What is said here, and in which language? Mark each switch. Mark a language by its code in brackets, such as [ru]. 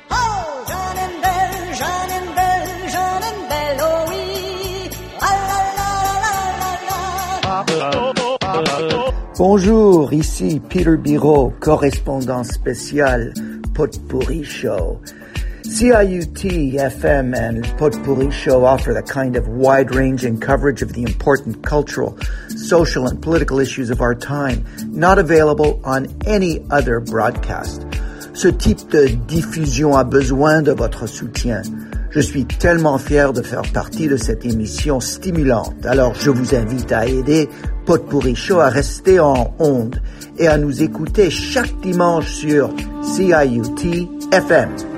[fr] Oh, j'en aime belle, j'en aime belle, j'en aime belle, oh oui! Ah, la, la, la, la, la, la. Bonjour, ici Peter Biraud, correspondant spécial Potpourri Show. [en] CIUT FM and Potpourri Show offer the kind of wide-ranging coverage of the important cultural, social, and political issues of our time, not available on any other broadcast. [fr] Ce type de diffusion a besoin de votre soutien. Je suis tellement fier de faire partie de cette émission stimulante. Alors, je vous invite à aider Potpourri Show à rester en onde et à nous écouter chaque dimanche sur CIUT FM.